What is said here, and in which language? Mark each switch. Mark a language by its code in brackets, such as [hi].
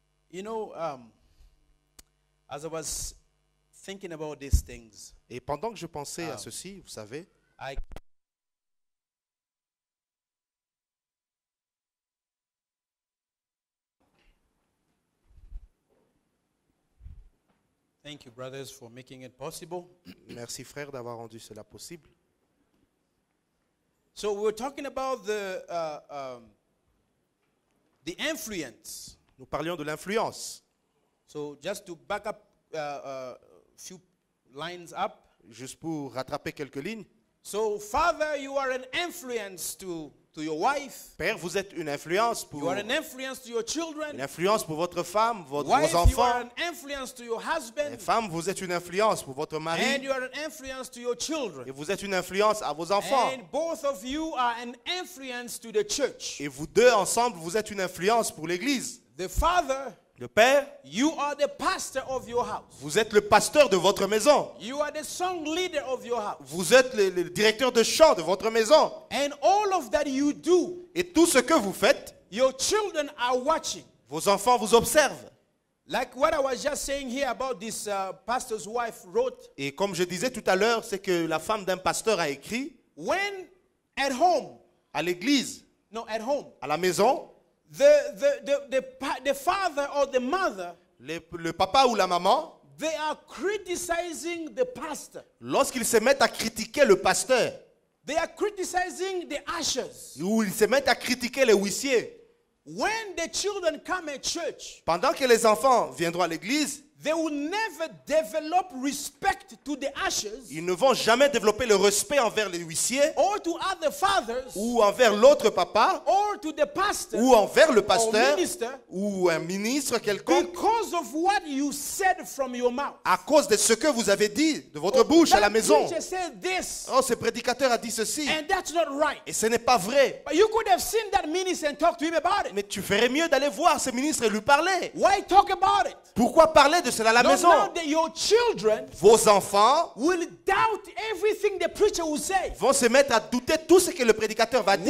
[en] You know, as I was thinking about these things. [fr] Et pendant que je pensais à ceci, vous savez. [en] Thank you, brothers, for making it possible. [fr] Merci, frères, d'avoir rendu cela possible. [en] So we're talking about the influence. [fr] Nous parlions de l'influence. [en] So just to back up a few lines up. [fr] Juste pour rattraper quelques lignes. [en] So, father, you are an influence to your wife. [fr] Père, vous êtes une influence pour. [en] You are an influence to your children. [fr] Une influence pour votre femme, votre [en] wife, [fr] vos enfants. [en] You are an influence to your husband. [fr] Femme, vous êtes une influence pour votre mari. [en] And you are an influence to your children. [fr] Et vous êtes une influence à vos enfants. [en] And both of you are an influence to the church. [fr] Et vous deux ensemble, vous êtes une influence pour l'église. [en] The father. [fr] Le père, [en] you are the pastor of your house. [fr] Vous êtes le pasteur de votre maison. [en] You are the song leader of your house. [fr] Vous êtes le directeur de chant de votre maison. [en] And all of that you do, [fr] et tout ce que vous faites, [en] your children are watching. [fr] Vos enfants vous observent. [en] Like what I was just saying here about this pastor's wife wrote. [fr] Et comme je disais tout à l'heure, c'est que la femme d'un pasteur a écrit. [en] When at home, [fr] à l'église. [en] No, at home, [fr] à la maison. [en] The father or the mother, [fr] le papa ou la maman, [en] they are criticizing the pastor. [fr] Lorsqu'ils se mettent à critiquer le pasteur, [en] they are criticizing the ushers. [fr] Ou ils se mettent à critiquer les huissiers. [en] When the children come at church, [fr] pendant que les enfants viendront à l'église, [en] they will never develop respect to the ushers. [fr] Ils ne vont jamais développer le respect envers les huissiers. [en] Or to other fathers. [fr] Ou envers l'autre papa. [en] Or to the pastor. [fr] Ou envers le pasteur. [en] Or minister. [fr] Ou un ministre quelconque. [en] Because of what you said from your mouth. [fr] À cause de ce que vous avez dit de votre bouche à la maison. [en] That preacher said this. [fr] Oh, ce prédicateur a dit ceci. [en] And that's not right. [fr] Et ce n'est pas vrai. [en] But you could have seen that minister and talked to him about it. [fr] Mais tu ferais mieux d'aller voir ce ministre et lui parler. [en] Why talk about it? [fr] Pourquoi parler de cela à la maison? [en] Your children, [fr] vos enfants, [en] will doubt everything the preacher will say. [fr] Vont se mettre à douter tout ce que le prédicateur va dire.